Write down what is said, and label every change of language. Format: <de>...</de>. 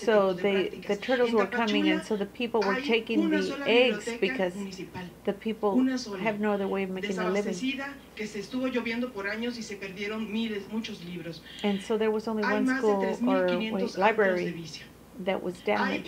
<en>so the turtles were coming, and so the people were taking the eggs because the people have no other way of making a living.</en> <es>Que se estuvo lloviendo por años y se perdieron miles, muchos libros.</es> <en>And so there was only one school or library that was damaged.</en>